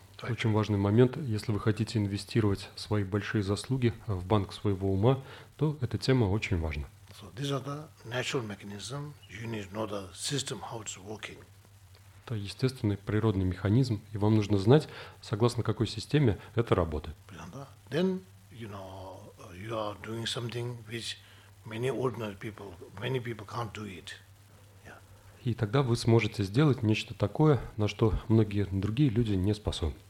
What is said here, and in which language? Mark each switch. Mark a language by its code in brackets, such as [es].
[ru] Очень важный момент, если вы хотите инвестировать свои большие заслуги в банк своего ума, то эта тема очень важна. [en] So these are the natural mechanism. You need to know the system how it's working. [ru] Это естественный природный механизм, и вам нужно знать, согласно какой системе это работает. [en] Then you know you are doing something which many ordinary people, many people can't do it. [ru] И тогда вы сможете сделать нечто такое, на что многие другие люди не способны.